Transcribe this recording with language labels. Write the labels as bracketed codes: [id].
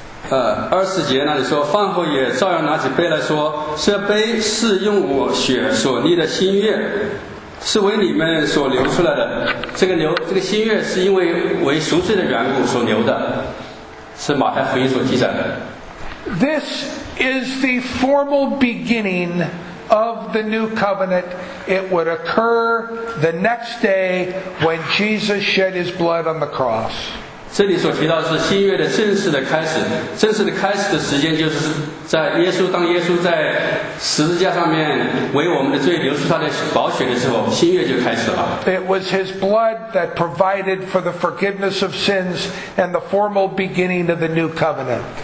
[zh] 20节那里说，饭后也照样拿起杯来说，这杯是用我血所立的新约，是为你们所流出来的。这个新约是因为赎罪的缘故所流的，是马太福音所记载的。 [en] This is the formal beginning of the new covenant. It would occur the next day when Jesus shed his blood on the cross. [zh] 这里所提到是新约的正式的开始，正式的开始的时间就是在耶稣在十字架上面为我们的罪流出他的宝血的时候，新约就开始了。 [en] It was his blood that provided for the forgiveness of sins and the formal beginning of the new covenant.